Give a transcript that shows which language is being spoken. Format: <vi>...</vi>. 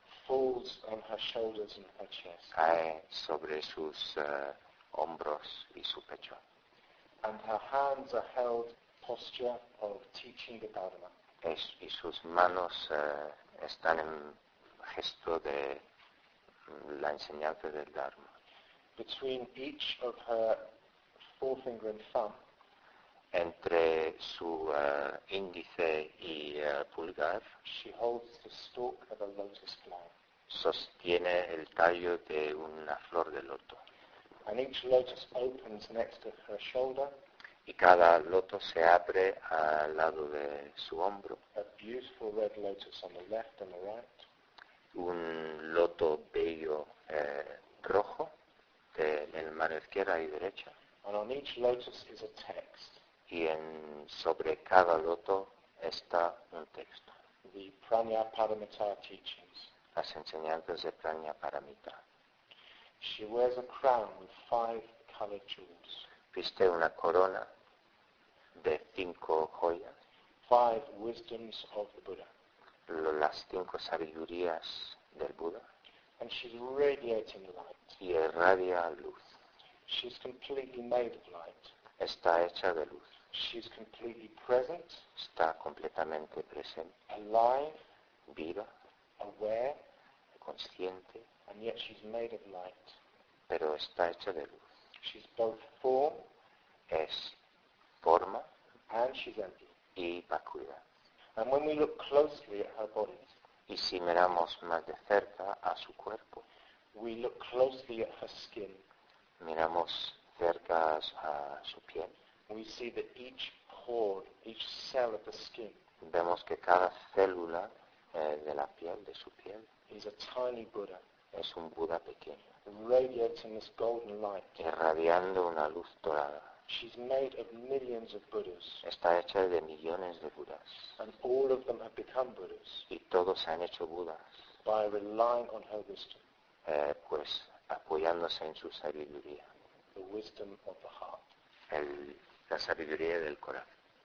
<en>Falls on her shoulders and her chest.</en> <es>Cae sobre sus hombros y su pecho.</es> <en>And her hands are held posture of teaching the Dharma.</en> <es>Y sus manos están en gesto de la enseñanza del Dharma.</es> <en>Between each of her forefinger and thumb.</en> <es>Entre su índice y pulgar.</es> <en>She holds the stalk of a lotus flower.</en> <es>Sostiene el tallo de una flor de loto.</es> <en>And each lotus opens next to her shoulder.</en> <es>Y cada loto se abre al lado de su hombro.</es> <en>A beautiful red lotus on the left and the right.</en> <es>Un loto bello rojo en mano izquierda y derecha.</es> <en>And on each lotus is a text.</en> <es>Y sobre cada loto está un texto.</es> <en>The Prajnaparamita teachings.</en> <es>Las enseñanzas de Prajnaparamita.</es> <en>She wears a crown with five colored jewels.</en> <es>Viste una corona de cinco joyas.</es> <en>Five wisdoms of the Buddha.</en> <es>Las cinco sabidurías del Buda.</es> <en>And she's radiating light.</en> <es>Y irradia luz.</es> <en>She's completely made of light.</en> <es>Está hecha de luz.</es> <en>She's completely present.</en> <es>Está completamente presente.</es> <en>Alive.</en> <es>Viva.</es> <en>Aware.</en> <es>Consciente.</es> <en>And yet she's made of light.</en> <es>Pero está hecha de luz.</es> <en>She's both form.</en> <es>Es forma.</es> <en>And she's empty.</en> <es>Y vacuidad.</es> <en>And when we look closely at her body,</en> <es>y si miramos más de cerca a su cuerpo,</es> <en>we look closely at her skin,</en> <es>miramos cerca a su piel,</es> <en>we see that each pore, each cell of the skin,</en> <es>vemos que cada célula de la piel, de su piel,</es> <en>is a tiny Buddha,</en> <es>es un Buddha pequeño,</es> <en>radiating this golden light,</en> <es>irradiando una luz dorada.</es> <en>She's made of millions of Buddhas.</en> <es>Está hecha de millones de Buddhas.</es> <en>And all of them have become Buddhas.</en> <es>Y todos han hecho Buddhas.</es> <en>By relying on her wisdom.</en> <es>Pues apoyándose en su sabiduría.</es> <en>The wisdom of the heart.</en> <es>La sabiduría del corazón.</es>